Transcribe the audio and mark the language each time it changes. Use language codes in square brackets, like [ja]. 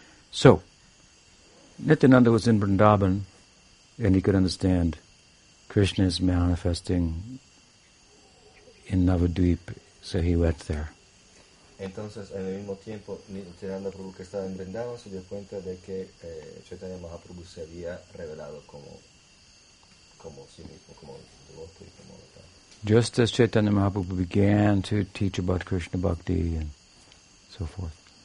[en] So, Nityananda was in Vrindavan, and he could understand Krishna is manifesting in Navadvip, so he went there. [es] Entonces, en el mismo tiempo, Nityananda Prabhu que estaba en Vrindavan se dio cuenta de que Chaitanya Mahaprabhu se había revelado como sí mismo, como devoto y como tal. [en] Just as Chaitanya Mahaprabhu began to teach about Krishna Bhakti and so forth.